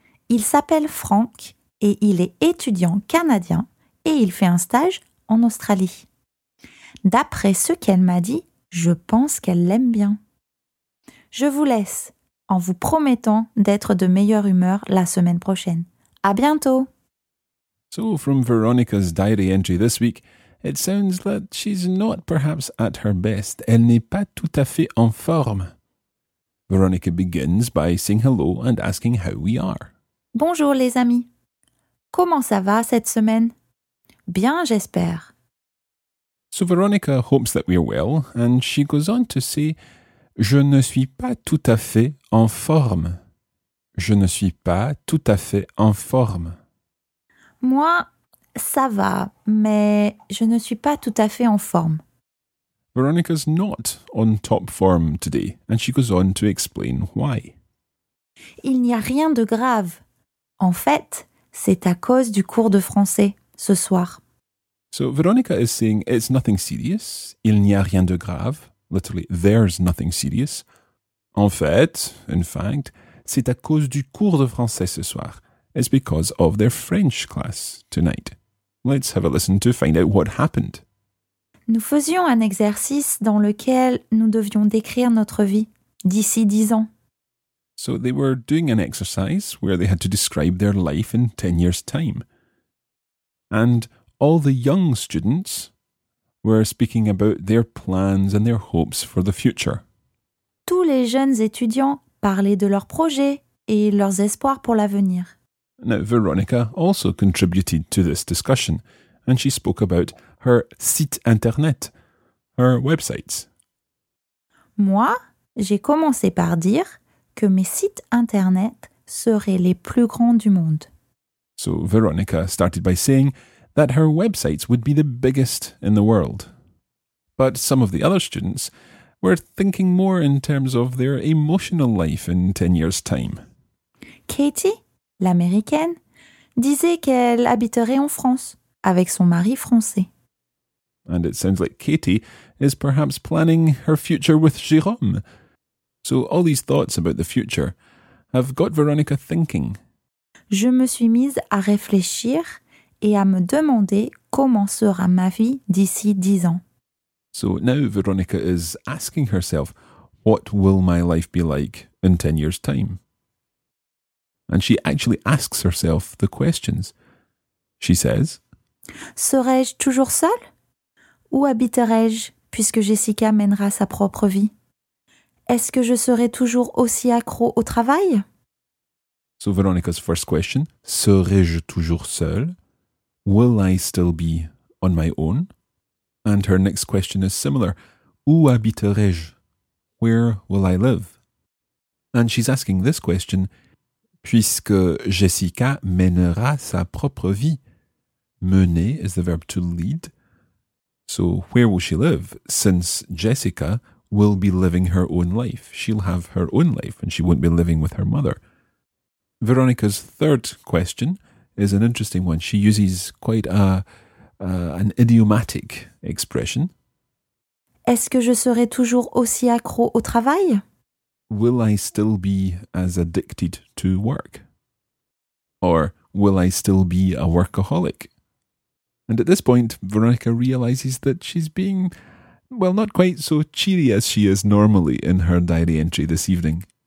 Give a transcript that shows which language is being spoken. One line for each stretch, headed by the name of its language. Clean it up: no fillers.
French: Il s'appelle Frank et il est étudiant canadien et il fait un stage en Australie. D'après ce qu'elle m'a dit, je pense qu'elle l'aime bien. Je vous laisse en vous promettant d'être de meilleure humeur la semaine prochaine. À bientôt!
English: So, from Veronica's diary entry this week, it sounds that she's not perhaps at her best.
French: Elle n'est pas tout à fait en forme.
English: Veronica begins by saying hello and asking how we are.
French: Bonjour les amis. Comment ça va cette semaine? Bien, j'espère.
English: So Veronica hopes that we are well and she goes on to say,
French: je ne suis pas tout à fait en forme. Je ne suis pas tout à fait en forme. Moi, ça va, mais je ne suis pas tout à fait en forme.
English: Veronica's not on top form today, and she goes on to explain why.
French: Il n'y a rien de grave. En fait, c'est à cause du cours de français, ce soir.
English: So Veronica is saying it's nothing serious,
French: il n'y a rien de grave,
English: literally there's nothing serious.
French: En fait,
English: in fact,
French: c'est à cause du cours de français ce soir.
English: It's because of their French class tonight. Let's have a listen to find out what happened.
French: Nous faisions un exercice dans lequel nous devions décrire notre vie d'ici 10 ans.
English: So they were doing an exercise where they had to describe their life in 10 years' time. And all the young students were speaking about their plans and their hopes for the future.
French: Tous les jeunes étudiants parlaient de leurs projets et leurs espoirs pour l'avenir.
English: Now, Veronica also contributed to this discussion, and she spoke about her site internet, her websites.
French: Moi, j'ai commencé par dire que mes sites internet seraient les plus grands du monde.
English: So Veronica started by saying that her websites would be the biggest in the world. But some of the other students were thinking more in terms of their emotional life in 10 years' time.
French: Katie, l'américaine, disait qu'elle habiterait en France avec son mari français.
English: And it sounds like Katie is perhaps planning her future with Jérôme. So all these thoughts about the future have got Veronica thinking. Je me suis mise à réfléchir et à me demander comment sera ma vie d'ici 10 ans. So now Veronica is asking herself, what will my life be like in 10 years' time? And she actually asks herself the questions. She says,
French: serai-je toujours seule? Où habiterai-je puisque Jessica mènera sa propre vie? Est-ce que je serai toujours aussi accro au travail?
English: So Veronica's first question,
French: serai-je toujours seule?
English: Will I still be on my own? And her next question is similar.
French: Où habiterai-je?
English: Where will I live? And she's asking this question,
French: puisque Jessica mènera sa propre vie.
English: Mener is the verb to lead. So where will she live? Since Jessica will be living her own life. She'll have her own life and she won't be living with her mother. Veronica's third question is an interesting one. She uses quite an idiomatic expression.
French: Est-ce que je serai toujours aussi accro au travail?
English: Will I still be as addicted to work? Or will I still be a workaholic? And at this point, Veronica realizes that she's being, well, not quite so cheery as she is normally in her diary entry this evening.